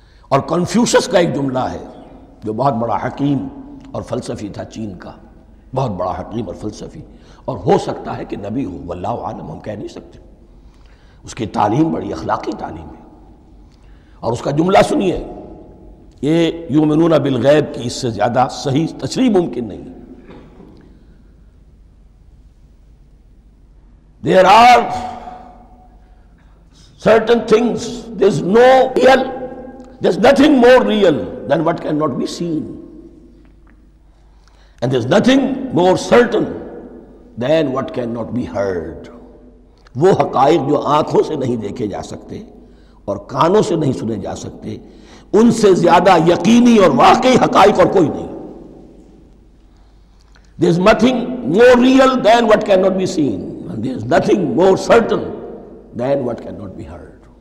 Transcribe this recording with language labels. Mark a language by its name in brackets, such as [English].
[Urdu] اور کنفیوشس کا ایک جملہ ہے جو بہت بڑا حکیم اور فلسفی تھا چین کا بہت بڑا حکیم اور فلسفی اور ہو سکتا ہے کہ نبی ہو واللہ عالم ہم کہہ نہیں سکتے اس کی تعلیم بڑی اخلاقی تعلیم ہے اور اس کا جملہ سنیے یہ یومنون بالغیب کی اس سے زیادہ صحیح تشریح ممکن نہیں [English] There are certain things, there's no real, there's nothing more real than what cannot be seen. And there's nothing more certain than what cannot be heard. [Urdu] وہ حقائق جو آنکھوں سے نہیں دیکھے جا سکتے اور کانوں سے نہیں سنے جا سکتے ان سے زیادہ یقینی اور واقعی حقائق اور کوئی نہیں. [English] There's nothing more real than what cannot be seen. And there's nothing more certain than what cannot be heard.